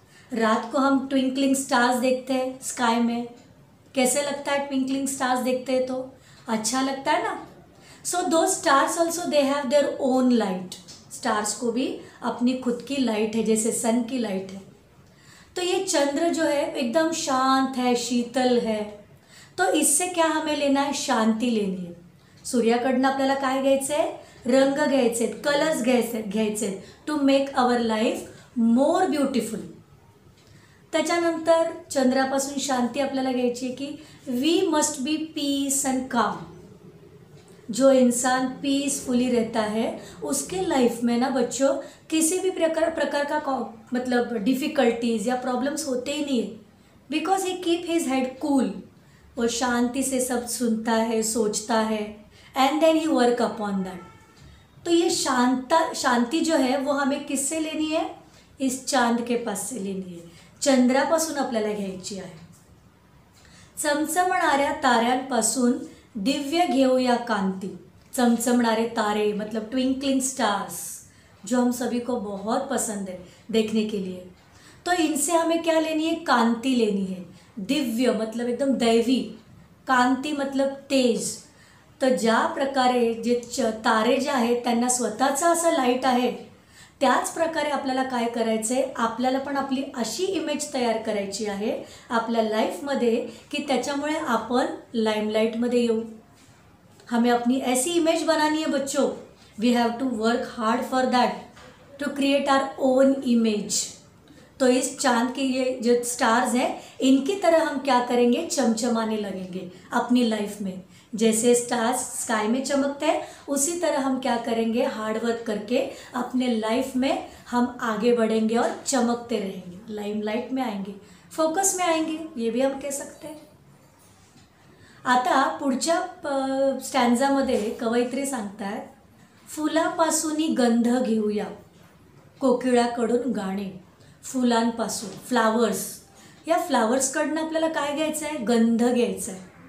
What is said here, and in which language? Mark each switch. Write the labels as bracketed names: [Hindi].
[Hindi] रात को हम ट्विंकलिंग स्टार्स देखते हैं स्काई में, कैसे लगता है ट्विंकलिंग स्टार्स देखते हैं तो अच्छा लगता है ना। [English] so दो stars also they have their own light, [Hindi] stars को भी अपनी खुद की लाइट है, जैसे सन की लाइट है। तो ये चंद्र जो है एकदम शांत है, शीतल है। तो इससे क्या हमें लेना है, शांति लेनी है। [Marathi] सूर्याकडून आपल्याला काय घ्यायचे, रंग घ्यायचे, कलर्स घ्यायचे, [English] To make our life more beautiful. [Marathi] त्याच्यानंतर चंद्रापासून शांती आपल्याला घ्यायची आहे की [English] We must be peace and calm. [Hindi] जो इंसान पीसफुली रहता है उसके लाइफ में ना बच्चों, किसी भी प्रकार का मतलब डिफिकल्टीज या प्रॉब्लम्स होते ही नहीं है, [English] Because he keep his head cool. [Hindi] वो शांति से सब सुनता है, सोचता है, [English] And then he work upon that. [Hindi] तो ये शांति जो है वो हमें किससे लेनी है, इस चांद के पास से लेनी है, [Marathi] चंद्रापासून आपल्याला घ्यायची आहे। चमचमणाऱ्या ताऱ्यांपासून दिव्य घेऊया कांती। [Hindi] चमचमणारे तारे मतलब ट्विंकलिंग स्टार्स, जो हम सभी को बहुत पसंद है देखने के लिए। तो इनसे हमें क्या लेनी है, कांती लेनी है, [Marathi] दिव्य मतलब एकदम दैवी, कांती मतलब तेज, तर ज्या प्रकारे जे तारे जे आहेत त्यांना स्वतःचा असं लाईट आहे, त्याच प्रकारे आपल्याला काय करायचं आहे, आपल्याला पण आपली अशी इमेज तयार करायची आहे आपल्या लाईफमध्ये की त्याच्यामुळे आपण लाईमलाईटमध्ये येऊ. [Hindi] हमें अपनी ऐसी इमेज बनानी है बच्चों, [English] We have to work hard for that to create our own image. [Hindi] तो इस चांद के ये जो स्टार्स हैं इनकी तरह हम क्या करेंगे, चमचमाने लगेंगे अपनी लाइफ में. जैसे स्टार्स स्काई में चमकते हैं उसी तरह हम क्या करेंगे, हार्ड वर्क करके अपने लाइफ में हम आगे बढ़ेंगे और चमकते रहेंगे, लाइमलाइट में आएंगे, फोकस में आएंगे, ये भी हम कह सकते हैं. [Marathi] आता पुढच्या स्टँझामध्ये कवयित्री सांगतात, फुलापासूनही गंध घेऊया, कोकिळाकडून गाणे. फुलांपासून फ्लावर्स, या फ्लावर्सकडनं आपल्याला काय घ्यायचं आहे, गंध घ्यायचा आहे.